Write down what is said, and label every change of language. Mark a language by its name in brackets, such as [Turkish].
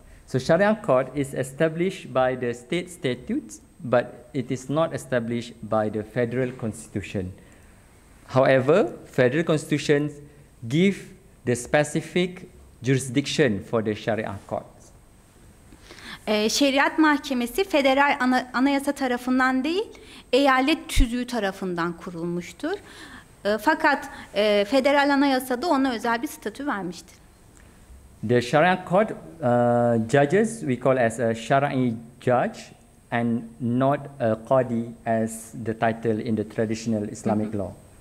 [English] So Sharia court is established by the state statutes, but it is not established by the federal constitution. However, federal constitutions give the specific jurisdiction for the Sharia court. [Turkish] Şeriat mahkemesi federal anayasa tarafından değil, eyalet tüzüğü tarafından kurulmuştur. Fakat federal anayasada ona özel bir statü vermiştir. [English] The Sharia court judges we call as a Shara'i judge and not a qadi as the title in the traditional Islamic law.